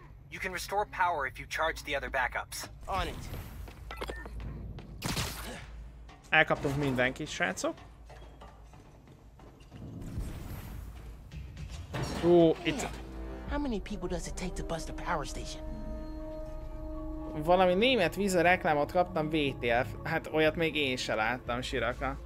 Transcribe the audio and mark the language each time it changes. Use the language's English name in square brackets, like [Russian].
[English] You can restore power if you charge the other backups. On it. [Hungarian] Elkaptunk mindenkit, srácok. [English] How many people does it take to bust a power station? [Hungarian] Valami német víz reklámot kaptam, VTF. Hát olyat még én se láttam, Siraka.